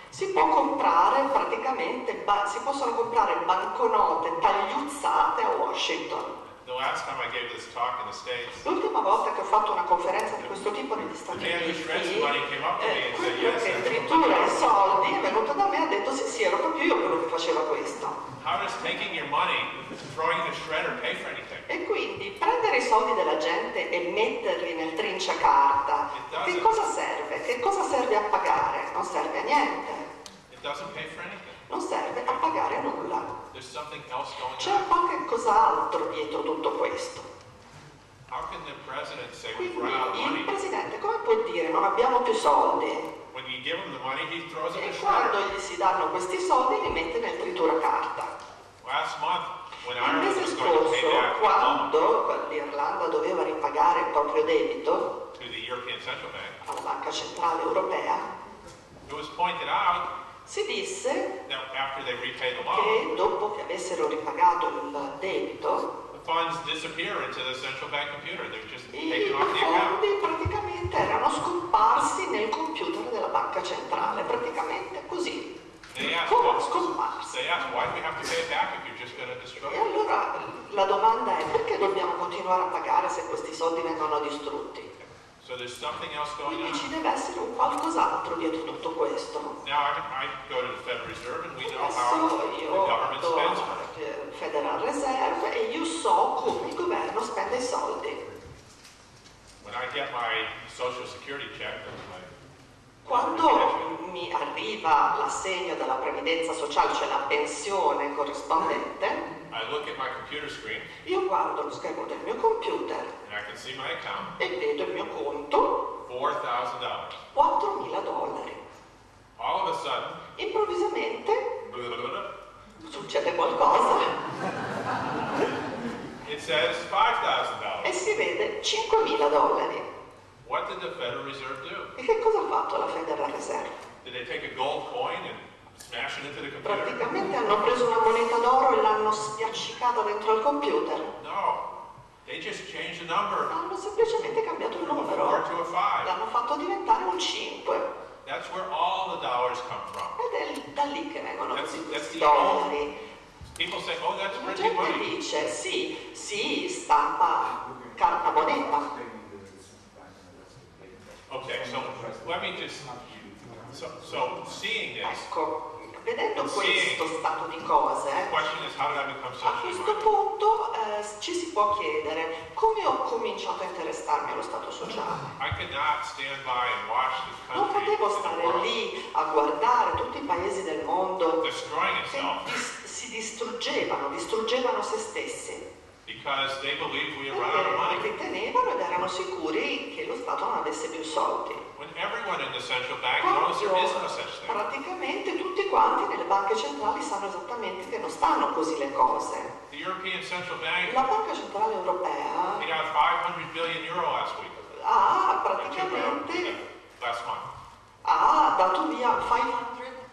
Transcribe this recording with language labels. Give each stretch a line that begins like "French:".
Italian: Si può comprare praticamente, si possono comprare banconote tagliuzzate a Washington.
English: The last time I gave this talk in the States,
Italian: l'ultima volta che ho fatto una conferenza di questo tipo negli Stati Uniti, quello che tritura i soldi è venuto da me e ha detto sì, ero proprio io quello che faceva questo.
English: How does taking your money, throwing the shredder, pay for anything?
Italian: E quindi prendere i soldi della gente e metterli nel trinciacarta, che cosa serve? Che cosa serve a pagare? Non serve a niente.
English: It doesn't pay for anything.
Italian: Non serve a pagare nulla.
English: There's something else going on.
Italian: C'è qualche cos'altro dietro tutto questo.
English: How can the president say
Italian: quindi
English: we've run out of money?
Italian: Il presidente come può dire non abbiamo più soldi?
English: When you give him the money, he throws
Italian: e quando gli si danno questi soldi li mette nel trituracarta.
English: Last month, when
Italian: il mese scorso quando l'Irlanda doveva ripagare il proprio debito
English: to the European Central Bank,
Italian: alla Banca Centrale Europea,
English: it was pointed out,
Italian: si disse
English: after they repay the loan,
Italian: che dopo che avessero ripagato il debito,
English: the funds disappear into the central bank computer. They're just
Italian: i fondi praticamente erano scomparsi nel computer della banca centrale, praticamente così. Come scomparsi? E allora la domanda è perché dobbiamo continuare a pagare se questi soldi vengono distrutti?
English: So there's something else going
Italian: quindi
English: on.
Italian: Ci deve essere un qualcos'altro dietro tutto questo.
English: Now I go to the Federal Reserve and we know
Italian: adesso
English: how the government spends
Italian: Federal Reserve e io so come il governo spende i soldi.
English: When I get my social security check,
Italian: quando mi arriva l'assegno della previdenza sociale, cioè la pensione corrispondente,
English: I look at my computer screen,
Italian: io guardo lo schermo del mio computer
English: and I can see my account,
Italian: e vedo il mio conto, $4,000.
English: All of a sudden,
Italian: improvvisamente, blablabla, succede qualcosa.
English: It says $5,000.
Italian: E si vede $5,000.
English: What did the Federal Reserve do?
Italian: E che cosa ha fatto la Federal Reserve?
English: Did they take a gold coin and smash it into the computer?
Italian: Praticamente hanno preso una moneta d'oro e l'hanno spiaccicata dentro il computer.
English: No, they just changed the number.
Italian: Hanno semplicemente cambiato il numero.
English: From a 4 to a 5.
Italian: L'hanno fatto diventare un 5.
English: That's where all the dollars come from.
Italian: Ed è da lì che vengono questi
English: that's
Italian: dollari.
English: People say, oh, that's
Italian: la gente
English: money.
Italian: Dice, sì, stampa carta moneta.
English: Okay, so let me just so seeing this.
Italian: Ecco, vedendo questo stato di cose.
English: The question is, how did I become so?
Italian: A questo punto ci si può chiedere come ho cominciato a interessarmi allo stato sociale.
English: I could not stand by and watch this country.
Italian: Non potevo stare lì a guardare tutti i paesi del mondo
English: destroying itself.
Italian: Si distruggevano se stessi.
English: Because they believed we had run out of money.
Italian: Perché tenevano ed erano sicuri che lo Stato non avesse più soldi.
English: When everyone in the central bank knows there is no such thing.
Italian: Praticamente tutti quanti nelle banche centrali sanno esattamente che non stanno così le cose.
English: The European Central Bank,
Italian: la Banca Centrale Europea,
English: they got 500 billion euro last week.
Italian: Ah, praticamente
English: last month.
Italian: Ah, dato via 500